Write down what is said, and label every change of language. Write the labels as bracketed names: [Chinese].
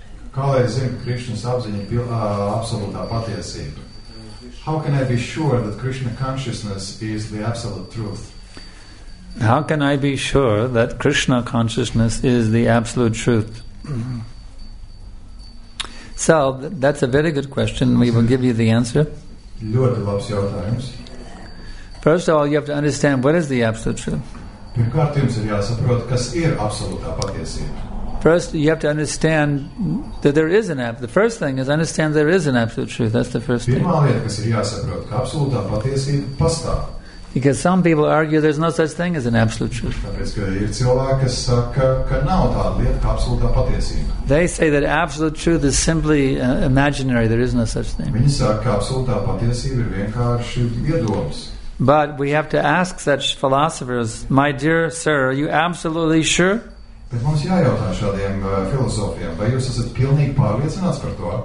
[Latvian] Kā lai es zinu, ka Krishna apziņa ir absolūtā patiesība? [English] How can I be sure that Krishna consciousness is the absolute truth? How can I be sure that Krishna consciousness is the absolute truth? So, that's a very good question. We will give you the answer. [Latvian] Ļoti labs jautājums. [English] First of all, you have to understand what is the absolute truth. [Latvian] Pirmkārt, jums ir jāsaprot, kas ir absolūtā patiesība. [English] First, you have to understand that there is an absolute. The first thing is understand there is an absolute truth. That's the first thing. [Latvian] Pirmā lieta, kas ir jāsaprot, ka absolūtā patiesība pastāv. [English] Because some people argue there's no such thing as an absolute truth. [Latvian] Tāpēc, ka ir cilvēki, kas saka, ka nav tāda lieta, ka absolūtā patiesība. [English] They say that absolute truth is simply imaginary. There is no such thing. [Latvian] Viņi saka, ka absolūtā patiesība ir vienkārši iedoms. [English] But we have to ask such philosophers, my dear sir, are you absolutely sure? [Latvian] Bet mums jājautā šādiem filozofiem, vai jūs esat pilnīgi pārliecināts par to?